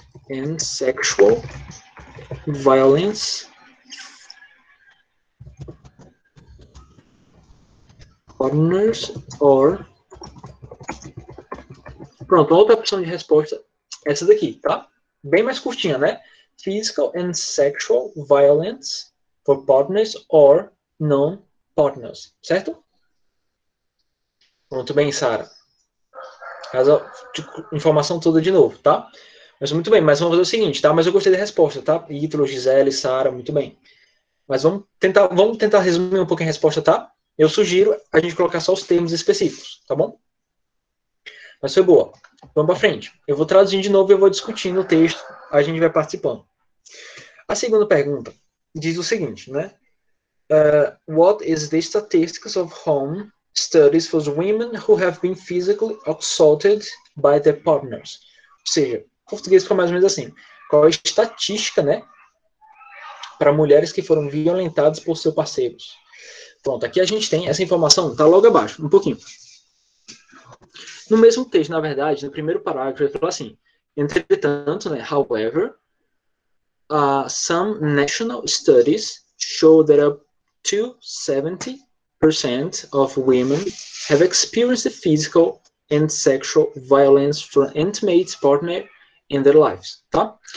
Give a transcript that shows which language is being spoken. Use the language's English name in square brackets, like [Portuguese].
[English] And sexual violence partners or. [Portuguese] Pronto, outra opção de resposta é essa daqui, tá? Bem mais curtinha, né? [English] Physical and sexual violence for partners or non-partners, certo? [Portuguese] Muito bem, Sara. Informação toda de novo, tá? Mas muito bem, mas vamos fazer o seguinte, tá? Mas eu gostei da resposta, tá? Ítalo, Gisele, Sara, muito bem. Mas vamos tentar resumir um pouquinho a resposta, tá? Eu sugiro a gente colocar só os termos específicos, tá bom? Mas foi boa. Vamos para frente. Eu vou traduzindo de novo e eu vou discutindo o texto, a gente vai participando. A segunda pergunta diz o seguinte, né? [English] What is the statistics of home studies for women who have been physically assaulted by their partners? [Portuguese] Ou seja, português ficou mais ou menos assim. Qual é a estatística, né? Para mulheres que foram violentadas por seus parceiros. Pronto, aqui a gente tem essa informação, tá logo abaixo, um pouquinho. No mesmo texto, na verdade, no primeiro parágrafo, ele fala assim: entretanto, né, [English] however, some national studies show that up to 70% of women have experienced physical and sexual violence from intimate partner in their lives, tá?